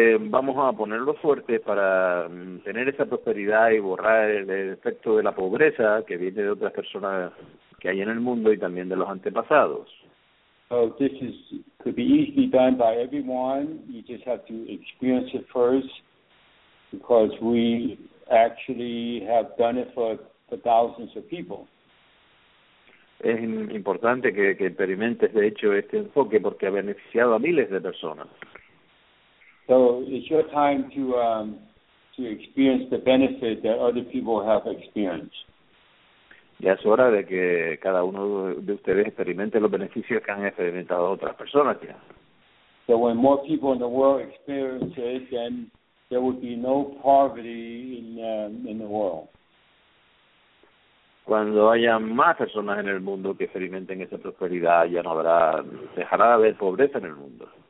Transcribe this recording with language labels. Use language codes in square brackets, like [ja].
[es] Vamos a ponerlo fuerte para tener esa prosperidad y borrar el efecto de la pobreza que viene de otras personas que hay en el mundo y también de los antepasados. [en] So this is could be easily done by everyone. You just have to experience it first, because we actually have done it for thousands of people. [es] Es importante que experimentes de hecho este enfoque porque ha beneficiado a miles de personas. [en] So it's your time to experience the benefit that other people have experienced. [es] Ya es hora de que cada uno de ustedes experimente los beneficios que han experimentado otras personas ya. [en] So when more people in the world experience it, then there would be no poverty in the world. [es] Cuando haya más personas en el mundo que experimenten esa prosperidad, ya no habrá, dejará de haber pobreza en el mundo.